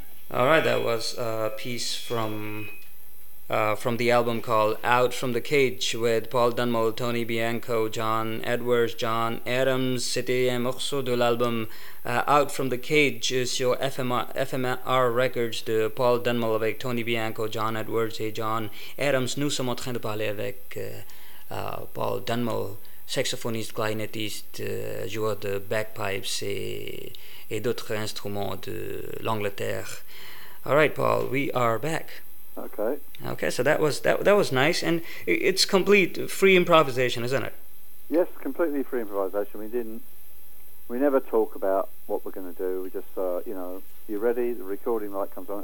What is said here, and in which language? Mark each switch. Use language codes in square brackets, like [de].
[en] All right, that was a piece from the album called Out from the Cage with Paul Dunmull, Tony Bianco, John Edwards, John Adams. [fr] C'était un morceau de l'album Out from the Cage sur FMR Records de Paul Dunmull avec Tony Bianco, John Edwards et John Adams. Nous sommes en train de parler avec Paul Dunmull, saxophoniste, clarinettiste, joueur de bagpipes et d'autres instruments de l'Angleterre. [en] All right, Paul, we are back. Okay. So that was nice, and it's complete free improvisation, isn't it? Yes, completely free improvisation. We never talk about what we're going to do. We just, you ready? The recording light comes on.